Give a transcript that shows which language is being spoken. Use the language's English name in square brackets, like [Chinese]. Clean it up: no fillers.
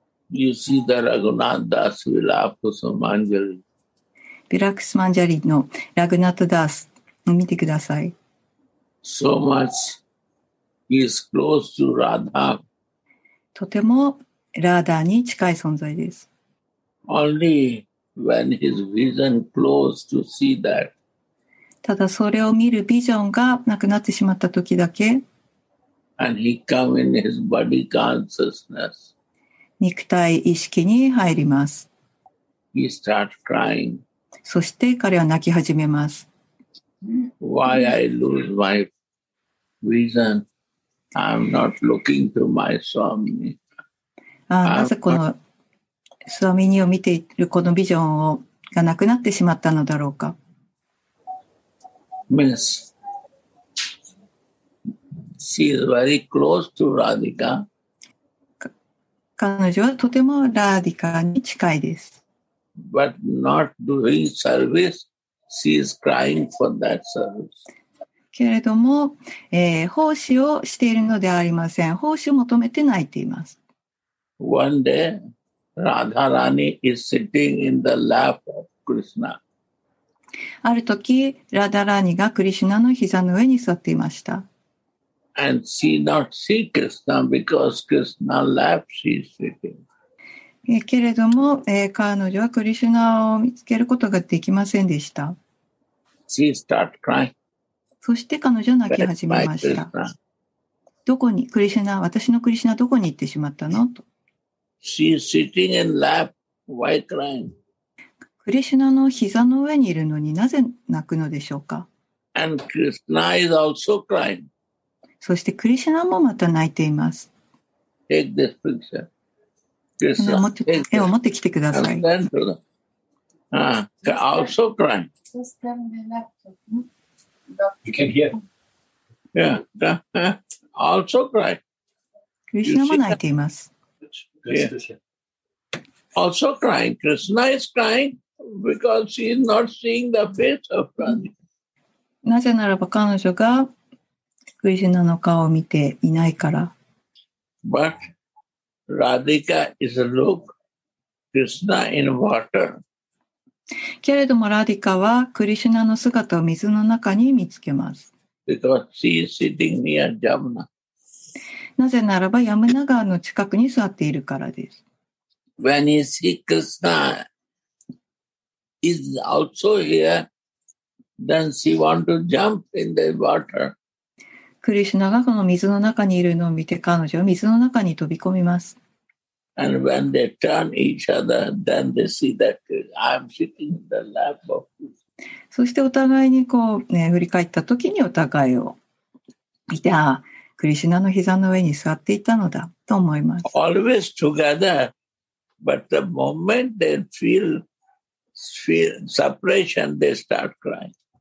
[English] You see the Raghunathdas Vilapusam Manjari. [Japanese] ヴィラクスマンジャリのラグナトダースを見てください。 [English] So much he is close to Radha. [Japanese] とてもラーダーに近い存在です。 [English] Only when his vision close to see that. [Japanese] ただそれを見るビジョンがなくなってしまった時だけ [English] And he come in his body consciousness. [Japanese] 肉体意識に入ります。 [English] He start crying. [Japanese] そして彼は泣き始めます。 [English] Why I lose my reason? I'm not looking to my Swami. [Japanese] なぜこのスワミニを見ているこのビジョンをがなくなってしまったのだろうか。 [English] Means she is very close to Radhika. [Japanese] 彼女はとてもラーディカに近いです。 [English] But not doing service, she is crying for that service. [Japanese] けれども、奉仕をしているのではありません。奉仕を求めて泣いています。 [English] One day, Radharani is sitting in the lap of Krishna. [Japanese] ある時ラダラーニがクリシュナの膝の上に座っていました。 [English] And she not see Krishna because Krishna lap she is sitting. [Japanese] けれども、彼女はクリシュナを見つけることができませんでした。 [English] She start crying. [Japanese] そして彼女は泣き始めました。どこにクリシュナ、私のクリシュナどこに行ってしまったのと。 [English] She is sitting in lap. Why crying? [Japanese] クリシュナの膝の上にいるのになぜ泣くのでしょうか。 [English] And Krishna is also crying. [Japanese] そしてクリシュナもまた泣いています。 [English] Take this picture. [Japanese] Krishna, 絵を持ってきてください。 [English] Also crying. You can hear. Yeah. Also crying. [Japanese] クリシュナも泣いています。 [English] Also crying. Krishna is crying. Because she is not seeing the face of [Japanese] なぜならば彼女がクリシュナの顔を見ていないから。 [English] But Radhika is a look, Krishna in water. [Japanese] けれどもラディカはクリシュナの姿を水の中に見つけます。 [English] Because she is sitting near Yamuna. [Japanese] なぜならばヤムナ川の近くに座っているからです。 [English] When he sees Krishna. Is also here. Then she want to jump in the water. [Japanese] クリシュナがこの水の中にいるのを見て彼女は水の中に飛び込みます。 [English] And when they turn each other, then they see that I'm sitting in the lap of this. [Japanese] そしてお互いにこう、ね、振り返った時にお互いを見て、ああ、クリシナの膝の上に座っていたのだと思います。 [English] Always together, but the moment they feel separation, they start crying.